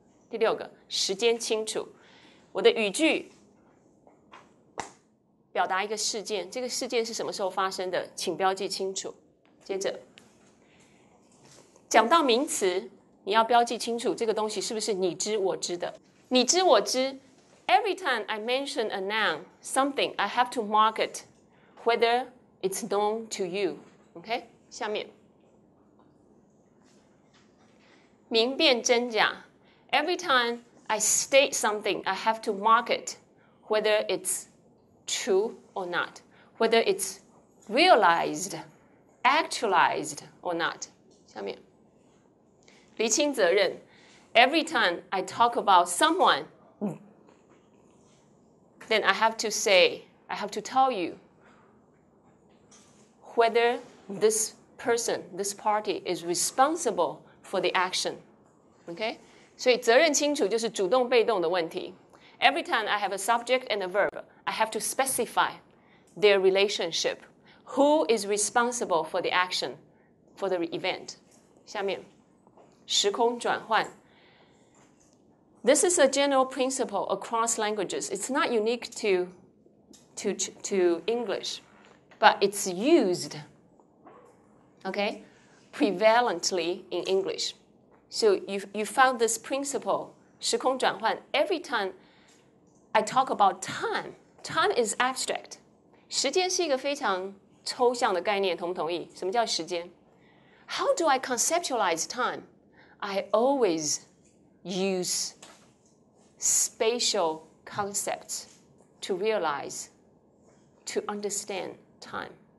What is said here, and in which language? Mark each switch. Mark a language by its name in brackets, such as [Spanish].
[Chinese] 第六个，时间清楚，我的语句表达一个事件，这个事件是什么时候发生的，请标记清楚。接着讲到名词，你要标记清楚这个东西是不是你知我知的。你知我知 [English] ，every time I mention a noun something, I have to mark it whether it's known to you. OK， [Chinese] 下面明辨真假 [English] ，every time I state something, I have to mark it whether it's true or not, whether it's realized. Actualized or not. [Chinese] 下面，厘清责任。 [English] Every time I talk about someone, then I have to say, I have to tell you whether this person, this party is responsible for the action. Okay? [Chinese] 所以责任清楚就是主动被动的问题。 [English] Every time I have a subject and a verb, I have to specify their relationship. Who is responsible for the action, for the event? [Chinese] 下面，时空转换。 [English] This is a general principle across languages. It's not unique to English, but it's used, okay, prevalently in English. So you found this principle, [Chinese] 时空转换. [English] Every time I talk about time, time is abstract. [Chinese] 时间是一个非常抽象的概念，同不同意？什么叫时间？ [English] How do I conceptualize time? I always use spatial concepts to realize, to understand time.